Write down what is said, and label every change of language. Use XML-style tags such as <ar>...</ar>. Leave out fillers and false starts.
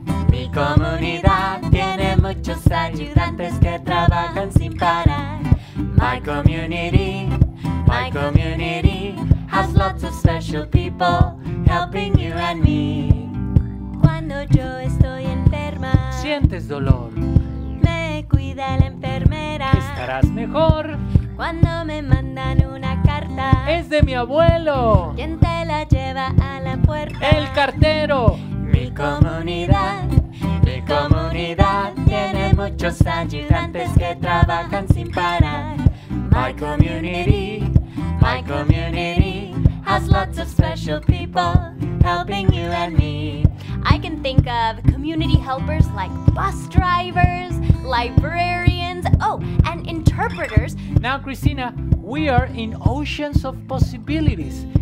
<es>Mi comunidad tiene muchos ayudantes que trabajan sin parar.</es> <en>My community has lots of special people helping you and me.</en> <es>Cuando yo estoy enferma, sientes dolor. Cuida la enfermera. Estarás mejor. Cuando me mandan una carta. Es de mi abuelo. ¿Quién te la lleva a la puerta? El cartero. Mi comunidad tiene muchos ayudantes que trabajan sin parar.</es> <en>My community has lots of special people helping you and me. I can think of community. community helpers like bus drivers, librarians, oh, and interpreters. Now, Christina, we are in oceans of possibilities.</en>